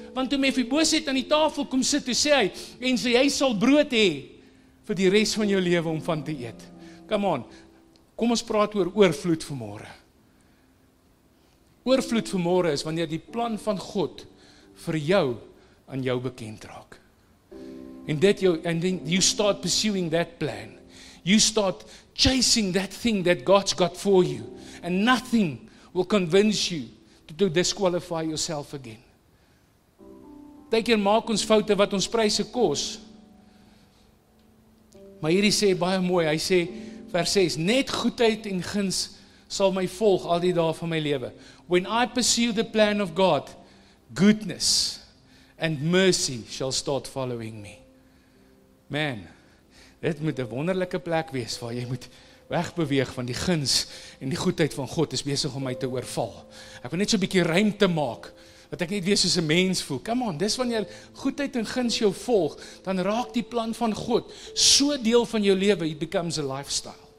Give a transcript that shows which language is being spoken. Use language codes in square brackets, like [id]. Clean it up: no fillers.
[af] Want toe Mefiboset aan die tafel kom sit, toe sê hy, en so jy sal brood hê vir die res van jou lewe om van te eet. Come on. Kom ons praat oor oorvloed vanmôre. Oorvloed vanmôre is wanneer die plan van God vir jou aan jou bekend raak. [en] And that you and then you start pursuing that plan. You start chasing that thing that God's got for you and nothing will convince you to disqualify yourself again. [af] Baie keer maak ons foute wat ons pryse kos. Maar hierdie sê baie mooi, hy sê vers 6, net goedheid en guns sal my volg al die dae van my lewe. [en] When I pursue the plan of God, goodness and mercy shall start following me. [af] Man, dit moet 'n wonderlike plek wees waar jy moet wegbeweeg van die guns en die goedheid van God is besig om my te oorval. Ek wil net so 'n bietjie ruimte maak, dat ek net weer soos 'n mens voel. Come on, dis wanneer goedheid en guns jou volg, dan raak die plan van God so deel van jou lewe, [en] it becomes a lifestyle.